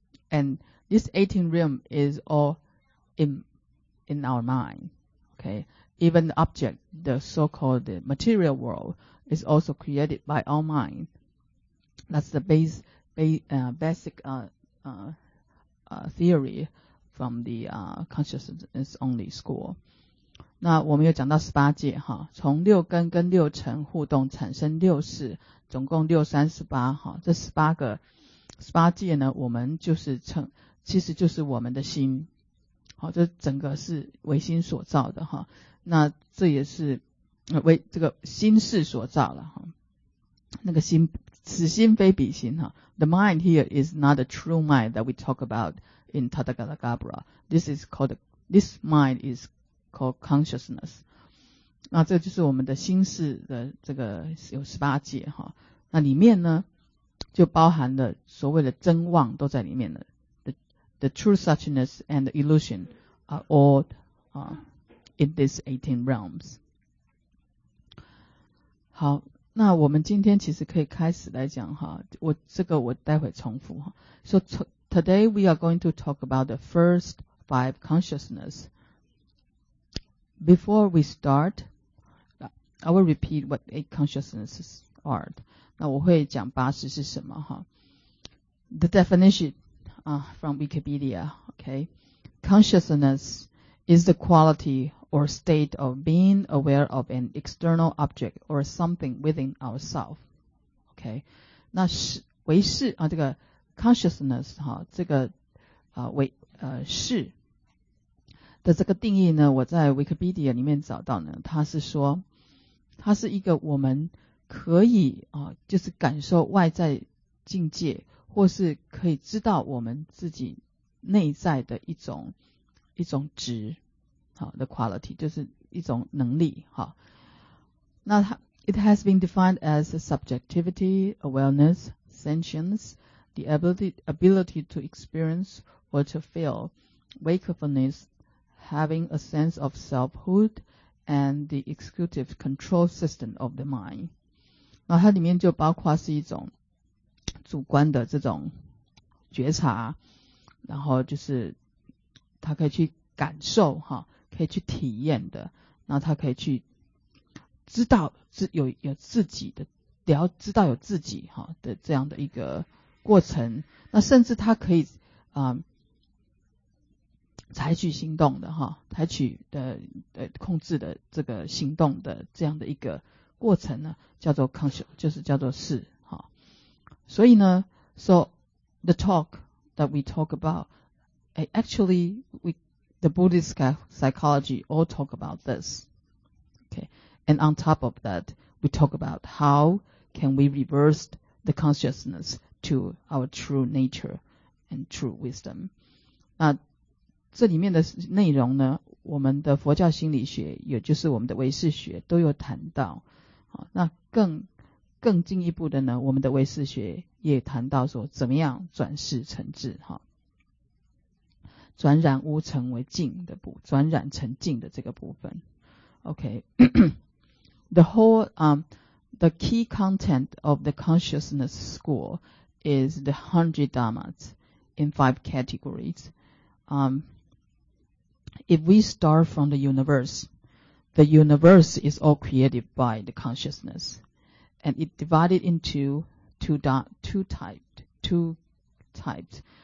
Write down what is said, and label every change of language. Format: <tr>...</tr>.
<en>And this 18 realm is all in our mind. Okay. Even the object, the so-called material world, is also created by our mind. That's the basic theory from the consciousness only school.</en> <zh>那我们又讲到十八界哈，从六根跟六尘互动产生六识，总共六三十八哈，这十八界呢，我们就是其实就是我们的心，好，这整个是唯心所造的哈。那这也是为这个心事所造了哈，那个心此心非彼心哈。</zh> <en>The mind here is not the true mind that we talk about in Tathagatagarbha. This mind is called consciousness.</en> <zh>那这就是我们的心事的这个有十八界哈。那里面呢就包含了所谓的真妄都在里面了。</zh> <en>The true suchness and the illusion are all in these 18 realms.</en> <zh>好，那我们今天其实可以开始来讲哈，我待会重复哈。</zh> <en>So today we are going to talk about the first five consciousness. Before we start, I will repeat what eight consciousnesses are.</en> <zh>那我会讲八识是什么哈。</zh> <en>The definition from Wikipedia, okay. Consciousness is the quality or state of being aware of an external object or something within ourselves. Okay.</en> <zh>那唯识啊，这个 consciousness 哈，这个识的这个定义呢，我在 Wikipedia 里面找到呢，它是说，它是一个我们可以就是感受外在境界，或是可以知道我们自己内在的一种值。好的 quality 就是一种能力哈。那它</zh> <en>it has been defined as subjectivity, awareness, sentience, the ability to experience or to feel, wakefulness, having a sense of selfhood, and the executive control system of the mind.</en> <zh>那它里面就包括是一种主观的这种觉察，然后就是它可以去感受哈。可以去体验的，那他可以去知道有自己的，了知道有自己哈的这样的一个过程，那甚至他可以采取行动的哈，采取的控制的这个行动的这样的一个过程呢，叫做 conscious， 就是叫做是哈。所以呢</zh> <en>，so the talk that we talk about， actually we。 The Buddhist psychology all talk about this. Okay. And on top of that, we talk about how can we reverse the consciousness to our true nature and true wisdom.</en> <zh>那这里面的内容呢，我们的佛教心理学，也就是我们的唯识学都有谈到。那更进一步的呢，我们的唯识学也谈到说怎么样转世成智。转染污成为净的部分，转染成净的这个部分。</zh> <en>OK, the whole, the key content of the consciousness school is the 100 dhammas in 5 categories. If we start from the universe is all created by the consciousness, and it divided into two types.</en>